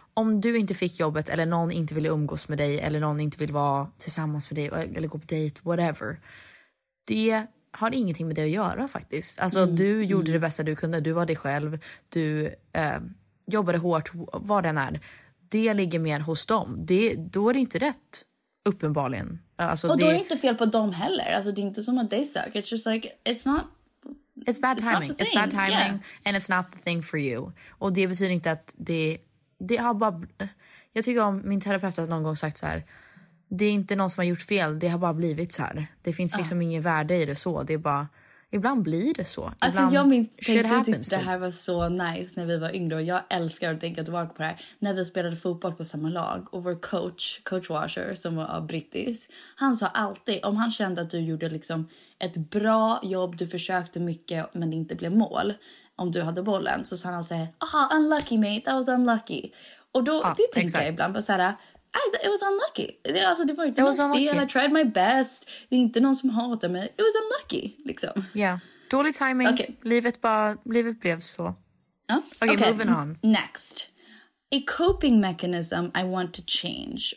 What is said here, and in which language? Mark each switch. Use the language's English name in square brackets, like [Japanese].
[Swedish] om du inte fick jobbet eller någon inte ville umgås med dig eller någon inte vill vara tillsammans med dig eller gå på dejt, whatever, det har ingenting med det att göra faktiskt. Alltså du gjorde det bästa du kunde, du var dig själv, du jobbade hårt, vad den är. Det ligger mer hos dem. Då är det inte rätt, uppenbarligen. Alltså, och då är det inte fel på dem heller. Alltså, det är inte som att [English] they suck. It's just like, it's not... It's bad timing. It's bad timing, yeah. And it's not the thing for you. [Swedish] Och det betyder inte att det har bara... Jag tycker om min terapeut har någon gång sagt så här... Det är inte någon som har gjort fel. Det har bara blivit så här. Det finns liksom ingen värde i det så. Det är bara... Ibland blir det så. Alltså jag minns att det här var så nice när vi var yngre. Och jag älskar att tänka tillbaka på det här. När vi spelade fotboll på samma lag. Och vår coach Washer, som var brittisk. Han sa alltid, om han kände att du gjorde liksom ett bra jobb. Du försökte mycket men det inte blev mål. Om du hade bollen. Så sa han alltid, [English] aha, unlucky mate, that was unlucky. [Swedish] Och då, det tänkte jag ibland på så här... [English] It was unlucky. [Swedish] Alltså, det var inte fel. [English] I tried my best. [Swedish] Det är inte någon som hatar mig. [English] It was unlucky, liksom. [Swedish] Ja. Yeah. Dålig timing. Okay. Livet blev så. [English] Okay, moving on. Next. A coping mechanism I want to change.